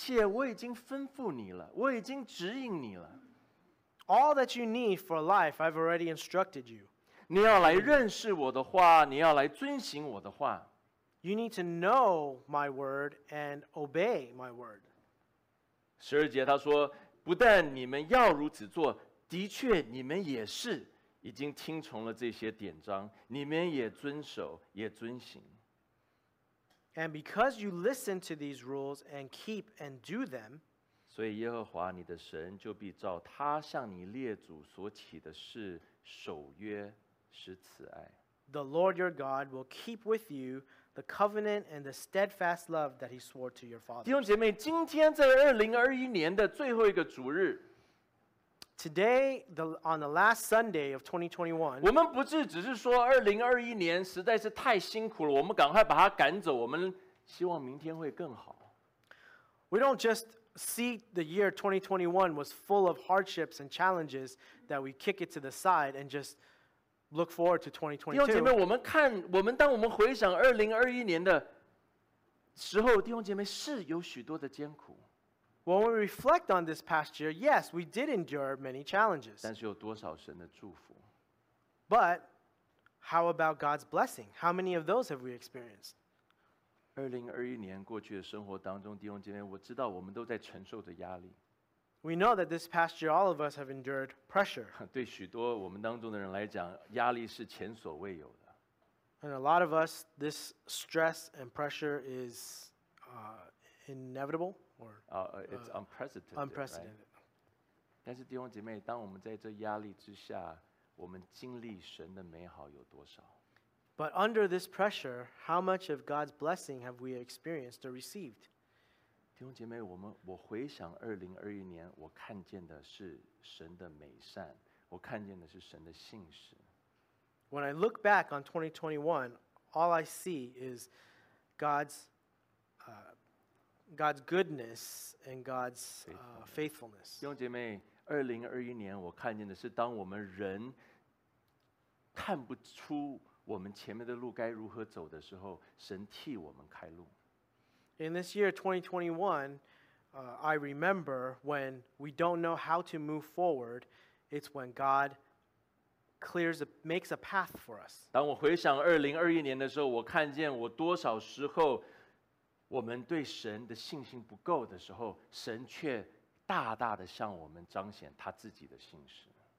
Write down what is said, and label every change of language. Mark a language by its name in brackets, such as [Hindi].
[Chinese] 我将你生命当中所需要的一切我已经吩咐你了, 我已经指引你了。 [English] All that you need for life, I've already instructed you. [Chinese] 你要来认识我的话, 你要来遵行我的话。 [English] You need to know my word and obey my word. [Chinese] 十二节他说, 不但你们要如此做, 的确你们也是已经听从了这些典章, 你们也遵守, 也遵行。 [English] And because you listen to these rules and keep and do them, [Chinese] 所以耶和华你的神就必照他向你列祖所起的誓守约施慈爱。 [English] The Lord your God will keep with you the covenant and the steadfast love that he swore to your fathers. [Chinese] 弟兄姐妹，今天在2021年的最后一个主日。 [English] Today, on the last Sunday of 2021, [Chinese] 我们不是只是说2021年实在是太辛苦了，我们赶快把它赶走，我们希望明天会更好。 [English] We don't just see the year 2021 was full of hardships and challenges that we kick it to the side and just look forward to 2022. [Chinese] 弟兄姐妹，我们看，我们当我们回想2021年的时候，弟兄姐妹是有许多的艰苦。 [English] When we reflect on this past year, yes, we did endure many challenges. [Chinese] 但是有多少神的祝福? [English] But how about God's blessing? How many of those have we experienced? [Chinese] 2021年过去的生活当中，弟兄姐妹，我知道我们都在承受着压力。 [English] We know that this past year, all of us have endured pressure. [Chinese] 对许多我们当中的人来讲，压力是前所未有的。 [English] And a lot of us, this stress and pressure is inevitable. It's unprecedented. Unprecedented. [Chinese] 但是弟兄姐妹，当我们在这压力之下，我们经历神的美好有多少？ [English] But under this pressure, how much of God's blessing have we experienced or received? [Chinese] 弟兄姐妹，我回想2021年，我看见的是神的美善，我看见的是神的信实。 [English] When I look back on 2021, all I see is God's goodness and God's faithfulness. [Chinese] 弟兄姐妹，2021年我看见的是，当我们人看不出我们前面的路该如何走的时候，神替我们开路。 [English] In this year 2021, I remember when we don't know how to move forward, it's when God makes a path for us. [Chinese] 当我回想2021年的时候，我看见我多少时候我们对神的信心不够的时候，神却大大的向我们彰显他自己的信实。